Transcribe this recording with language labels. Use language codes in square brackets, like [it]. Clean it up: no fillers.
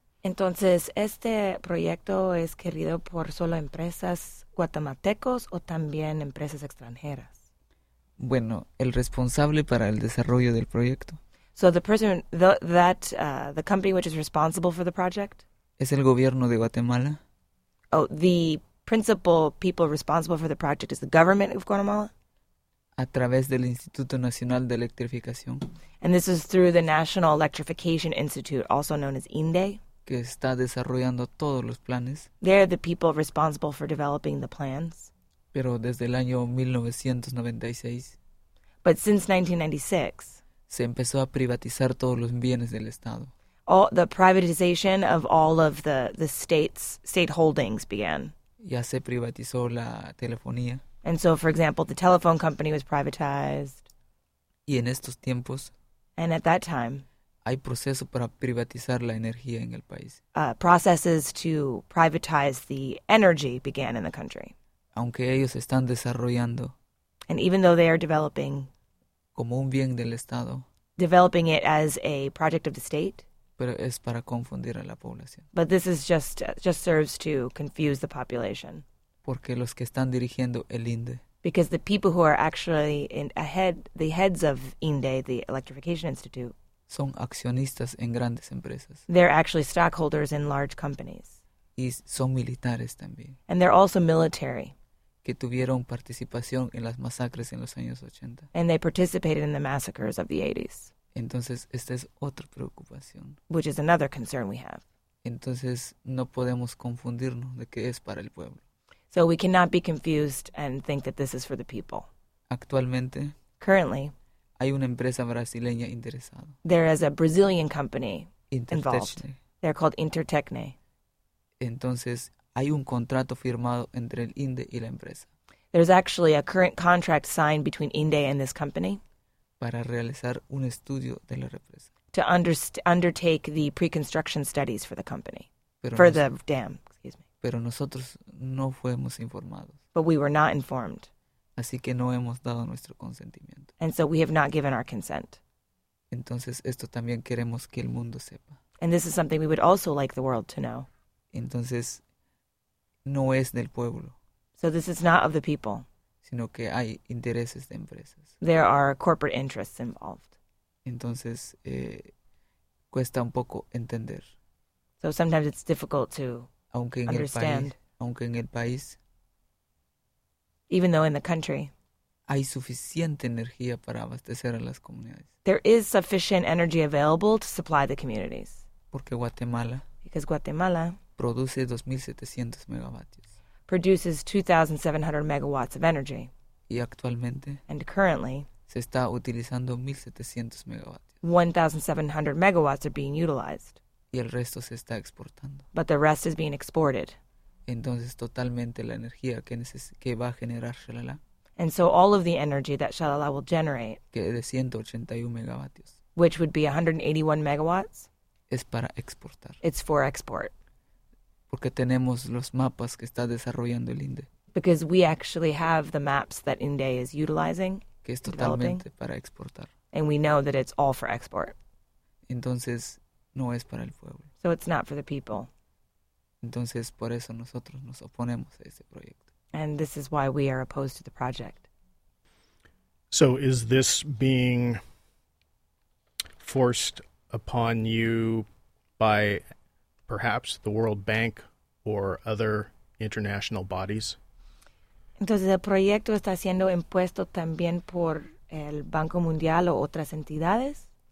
[es] Entonces, este proyecto es querido por solo empresas guatemaltecos o también empresas extranjeras. Bueno, el responsable para el desarrollo del proyecto. [en] So the person the company which is responsible for the project? [es] Es el gobierno de Guatemala. [en] Oh, the principal people responsible for the project is the government of Guatemala? [es] A través del Instituto Nacional de Electrificación. [en] And this is through the National Electrification Institute, also known as INDE. [es] Que está desarrollando todos los planes. [en] They're the people responsible for developing the plans. [es] Pero desde el año 1996. [en] But since 1996. [es] Se empezó a privatizar todos los bienes del Estado. [en] All the privatization of all of the state holdings began. [es] Ya se privatizó la telefonía. [en] And so, for example, the telephone company was privatized. [es] Y en estos tiempos. [en] And at that time. [es] Hay proceso para privatizar la energía en el país. [en] Processes to privatize the energy began in the country. [es] Aunque ellos están desarrollando. [en] And even though they are developing. [es] Como un bien del Estado. [en] Developing it as a project of the state. [es] Pero es para confundir a la población. [en] But this is just serves to confuse the population. [es] Porque los que están dirigiendo el INDE. [en] Because the people who are actually the heads of INDE, the Electrification Institute. [es] Son accionistas en grandes empresas. [en] They're actually stockholders in large companies. [es] Y son militares también. [en] And they're also military. [es] Que tuvieron participación en las masacres en los años 80. [en] And they participated in the massacres of the 80s. [es] Entonces, esta es otra preocupación. [en] Which is another concern we have. [es] Entonces, no podemos confundirnos de que es para el pueblo. [en] So we cannot be confused and think that this is for the people. [es] Actualmente. [en] Currently. [es] Hay una empresa brasileña interesada. [en] There is a Brazilian company involved. They're called Intertecne. [es] Entonces, hay un contrato firmado entre el INDE y la empresa. [en] There's actually a current contract signed between INDE and this company. [es] Para realizar un estudio de la represa. [en] To undertake the pre-construction studies for the company. Excuse me. [es] Pero nosotros no fuimos informados. [en] But we were not informed. [es] Así que no hemos dado nuestro consentimiento. [en] And so we have not given our consent. [es] Entonces esto también queremos que el mundo sepa. [en] And this is something we would also like the world to know. [es] Entonces no es del pueblo. [en] So this is not of the people. [es] Sino que hay intereses de empresas. [en] There are corporate interests involved. [es] Entonces cuesta un poco entender. [en] So sometimes it's difficult to understand. [es] Aunque en el país. [en] Even though in the country, [es] hay suficiente energía para abastecer a las comunidades. [en] There is sufficient energy available to supply the communities. [es] Porque Guatemala, [en] because Guatemala [es] produce 2,700 megawatts. [en] Produces 2,700 megawatts of energy. [es] Y actualmente, [en] and currently, [es] se está utilizando 1,700 [en] megawatts. 1,700 megawatts are being utilized. [es] Y el resto se está exportando. [en] But the rest is being exported. [es] Entonces, totalmente la energía que va a generar Shalala. [en] And so all of the energy that Shalala will generate. [es] Que de 181 megavatios. [en] Which would be 181 megawatts. [es] Es para exportar. [en] It's for export. [es] Porque tenemos los mapas que está desarrollando el INDE. [en] Because we actually have the maps that INDE is utilizing. [es] Que es totalmente para exportar. [en] And we know that it's all for export. [es] Entonces, no es para el pueblo. [en] So it's not for the people. [es] Entonces, por eso nosotros nos oponemos a este proyecto. [en] And this is why we are opposed to the project. So is this being forced upon you by perhaps the World Bank or other international bodies? [es] Entonces, el proyecto está siendo impuesto también por el Banco Mundial o otras entidades?